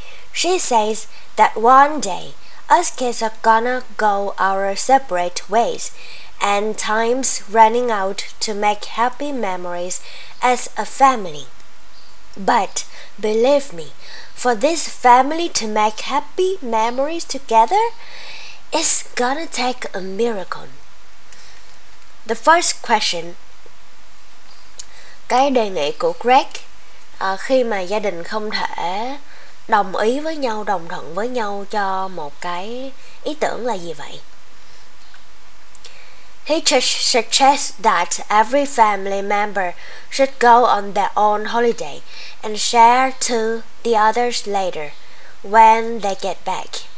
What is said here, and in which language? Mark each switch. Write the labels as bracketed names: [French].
[English] She says that one day us kids are gonna go our separate ways and time's running out to make happy memories as a family. But believe me, for this family to make happy memories together, it's gonna take a miracle. The first question. [Vietnamese] Cái đề nghị của Greg, khi mà gia đình không thể đồng ý với nhau, đồng thuận với nhau cho một cái ý tưởng là gì vậy? [English] He just suggests that every family member should go on their own holiday and share to the others later when they get back.